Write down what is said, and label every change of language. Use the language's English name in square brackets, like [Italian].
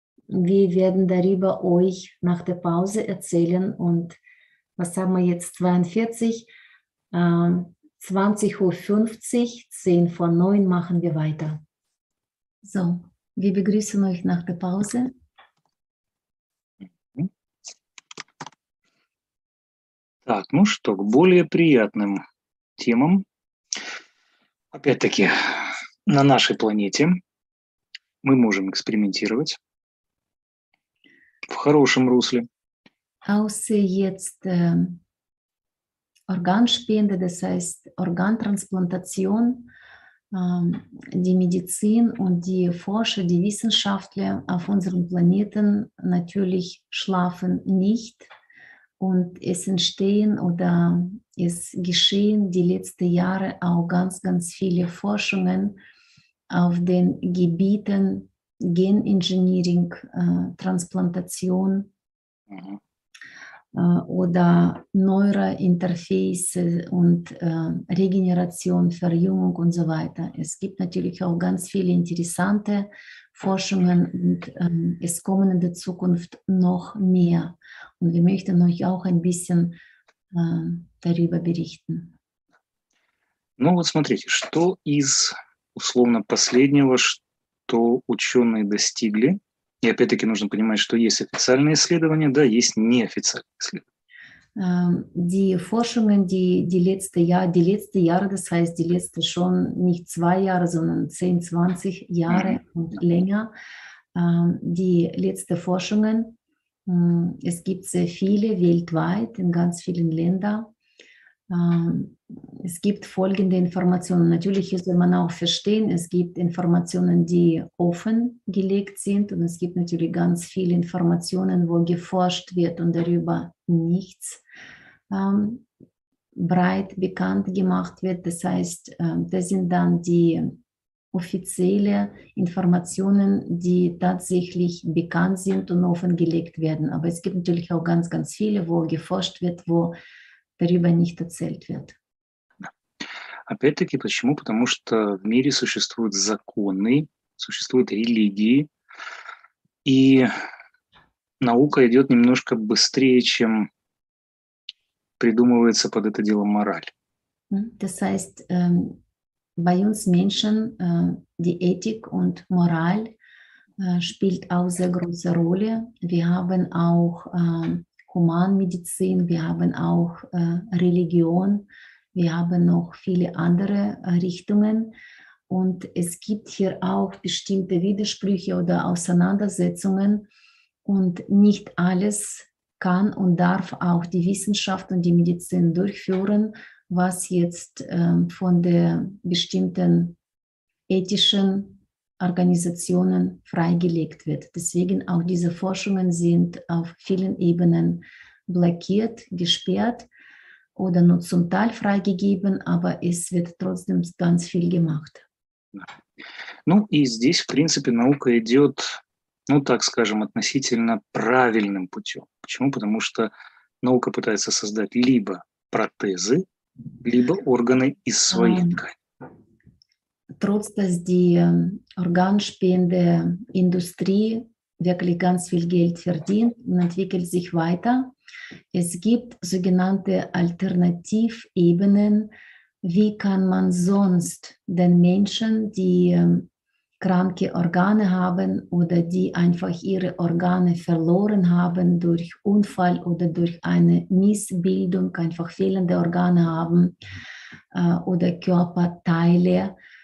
[German] Wir werden darüber euch nach der Pause erzählen. Und was haben wir jetzt? 42, 20.50 Uhr, 10 vor 9 machen wir weiter. So, wir begrüßen euch nach der Pause. [Russian] Так, ну что, к более приятным темам. Опять-таки, на нашей планете мы можем экспериментировать в хорошем русле. [German] Außer jetzt Organspende, das heißt Organtransplantation, die Medizin und die Forscher, die Wissenschaftler auf unserem Planeten natürlich schlafen nicht. Und es entstehen oder es geschehen die letzten Jahre auch ganz, ganz viele Forschungen auf den Gebieten Genengineering, Transplantation oder Neurointerface und Regeneration, Verjüngung und so weiter. Es gibt natürlich auch ganz viele interessante Forschungen und es kommen in der Zukunft noch mehr. Und wir möchten euch auch ein bisschen darüber berichten. [Russian] Ну вот смотрите, что из условно последнего, что ученые достигли. И опять-таки нужно понимать, что есть официальные исследования, да, есть неофициальные исследования. [German] Die Forschungen, die letzte Jahre, das heißt die letzte schon nicht zwei Jahre, sondern 10, 20 Jahre und länger, die letzte Forschungen. Es gibt sehr viele weltweit in ganz vielen Ländern. Es gibt folgende Informationen. Natürlich soll man auch verstehen, es gibt Informationen, die offengelegt sind und es gibt natürlich ganz viele Informationen, wo geforscht wird und darüber nichts breit bekannt gemacht wird. Das heißt, das sind dann die offizielle Informationen, die tatsächlich bekannt sind und offengelegt werden. Aber es gibt natürlich auch ganz, ganz viele, wo geforscht wird, wo darüber nicht erzählt wird. [Russian] Опять-таки, почему? Потому что в мире существуют законы, существуют религии, и наука идет немножко быстрее, чем придумывается под это дело мораль. [German] Das heißt, bei uns Menschen, die Ethik und Moral spielt auch sehr große Rolle. Wir haben auch Humanmedizin, wir haben auch Religion, wir haben noch viele andere Richtungen. Und es gibt hier auch bestimmte Widersprüche oder Auseinandersetzungen. Und nicht alles kann und darf auch die Wissenschaft und die Medizin durchführen, was jetzt von den bestimmten ethischen Organisationen freigelegt wird. Deswegen auch diese Forschungen sind auf vielen Ebenen blockiert, gesperrt oder nur zum Teil freigegeben, aber es wird trotzdem ganz viel gemacht. [Russian] Ну и здесь, в принципе, наука идет, ну так скажем, относительно правильным путем. Почему? Потому что наука пытается создать либо протезы, либо органы из своих тканей. [German] Trotz dass die Organspende Industrie wirklich ganz viel Geld verdient und entwickelt sich weiter, es gibt sogenannte Alternativebenen, wie kann man sonst den Menschen, die kranke Organe haben oder die einfach ihre Organe verloren haben durch Unfall oder durch eine Missbildung, einfach fehlende Organe haben oder Körperteile